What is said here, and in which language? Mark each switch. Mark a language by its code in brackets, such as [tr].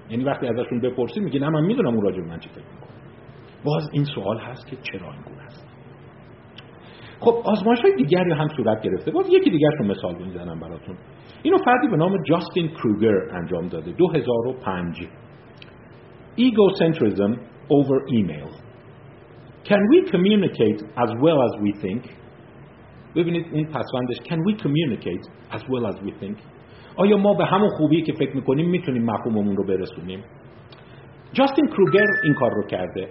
[fa] یعنی وقتی ازشون بپرسید میگه نه من میدونم اون راجع به من چی فکر میکنه. باز این سوال هست که چرا این گونه است. خب آزمایش های دیگری هم صورت گرفته. باز یکی دیگر شون مثال بزنم براتون. اینو فردی به نام جاستین کروگر انجام داده، 2005. [en] Egocentrism over email. Can we communicate as well as we think? [fa] ببینید این پسوندش، [en] Can we communicate as well as we think؟ [fa] آیا ما به همون خوبی که فکر میکنیم میتونیم مفهوممون رو برسونیم؟ جاستین کروگر این کار رو کرده.